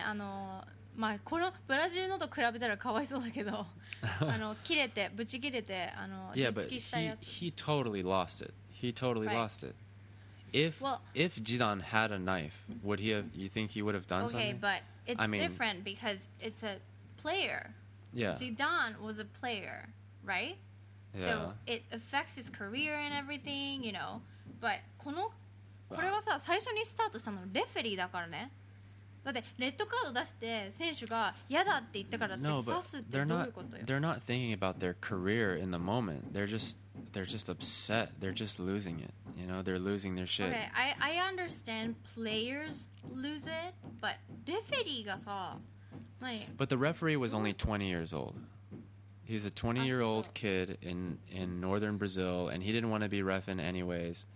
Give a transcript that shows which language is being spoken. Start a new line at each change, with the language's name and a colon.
Japanese: あのまあこのブラジルのと比べたらかわいそうだけど、あの切れてブチ切れてあの頭突きしたやつ。
English: Yeah, but he totally lost it. He totally lost it. If Zidane had a knife, would he have? You think he would have done something? Okay, but it's different because it's a player. Yeah. Zidane was a player, right? Yeah. So it affects his career and everything, you know.
Japanese: But このこれはさ最初にスタートしたのレフェリーだからね。だってレッドカード出して選手が嫌だって言ったからって刺すってどういうことよ。
English: They're not thinking about their career in the moment. They're just upset. They're just losing it. You know, they're losing their shit. Okay, I understand players lose it, but referee
Japanese: がさ、
English: But the referee was only 20 years old. He's a 20-year-old kid in northern Brazil, and he didn't want to be reffing anyways.